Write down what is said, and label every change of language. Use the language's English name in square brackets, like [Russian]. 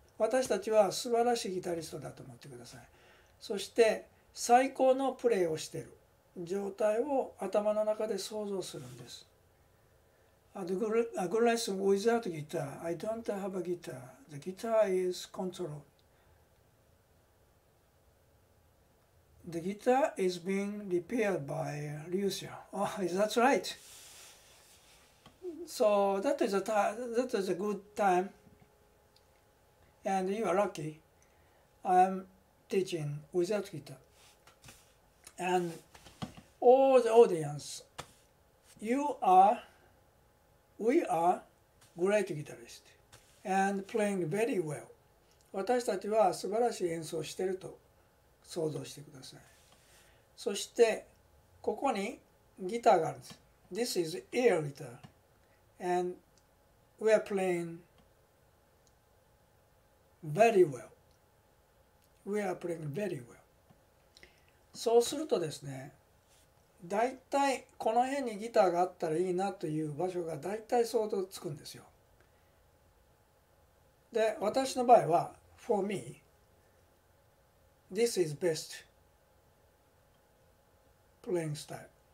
[Japanese] 私たちは素晴らしいギタリストだと思ってください。そして最高のプレイをしている状態を頭の中で想像するんです。 [English] A good lesson without guitar. I don't have a guitar. The guitar is controlled. The guitar is being repaired by Lucio. Oh, is that right? So that is a good time. And you are lucky. I'm teaching without guitar. And all the audience, we are great guitarist and playing very well. [Japanese] 私たちは素晴らしい演奏をしていると想像してください。そしてここにギターがあるんです。 [English] This is air guitar and we are playing very well. We are playing very well. [Japanese] そうするとですね、だいたいこの辺にギターがあったらいいなという場所がだいたい想像つくんですよ。で、私の場合は、 [English] For me, this is best playing style.